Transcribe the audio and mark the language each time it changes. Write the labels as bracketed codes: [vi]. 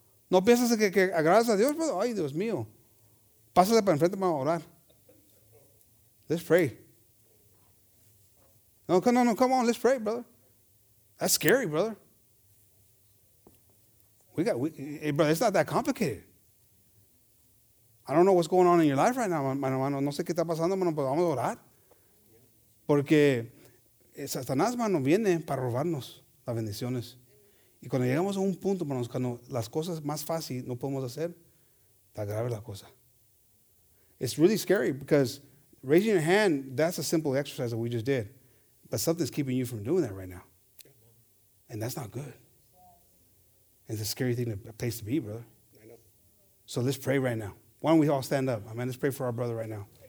[es] No piensas que agradas a Dios, brother? Ay, Dios mío. Pásale para enfrente para orar. [en] Let's pray. No, come on. Let's pray, brother. That's scary, brother. Hey, brother, it's not that complicated. I don't know what's going on in your life right now, mano. [es] No sé qué está pasando, mano, pero vamos a orar. Porque Satanás, mano, viene para robarnos las bendiciones. Y cuando llegamos a un punto, mano, cuando las cosas más fácil no podemos hacer, está grave la cosa. [en] It's really scary because raising your hand, that's a simple exercise that we just did. But something's keeping you from doing that right now. And that's not good. It's a scary thing, a place to be, brother. So let's pray right now. Why don't we all stand up? Amen. Let's pray for our brother right now.